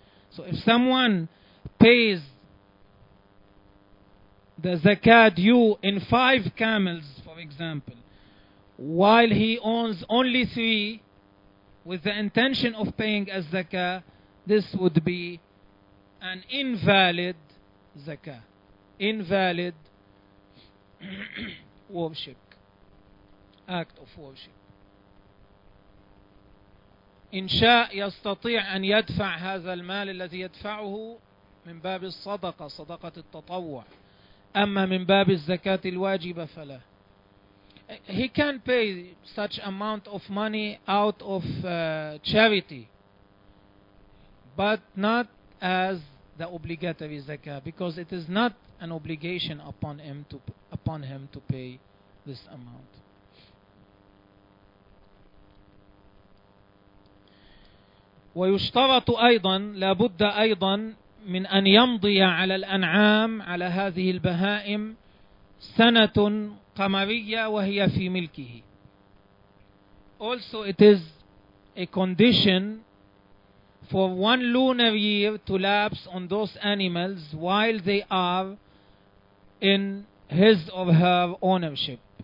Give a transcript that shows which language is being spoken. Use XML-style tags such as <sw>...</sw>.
<en>So if someone pays the zakah due in 5 camels, for example, while he owns only 3, with the intention of paying a zakah, this would be an invalid zakah, invalid worship, act of worship.</en> <ar>إن شاء يستطيع أن يدفع هذا المال الذي يدفعه من باب الصدقة، صدقة التطوع، أما من باب الزكاة الواجبة فلا.</ar> <en>He can pay such amount of money out of charity, but not as the obligatory zakah, because it is not an obligation upon him to pay this amount.</en> <ar>ويشترط أيضا لابد أيضا من أن يمضي على الأنعام على هذه البهائم سنة قمرية وهي في ملكه.</ar> <en>Also it is a condition for one lunar year to lapse on those animals while they are in his or her ownership.</en>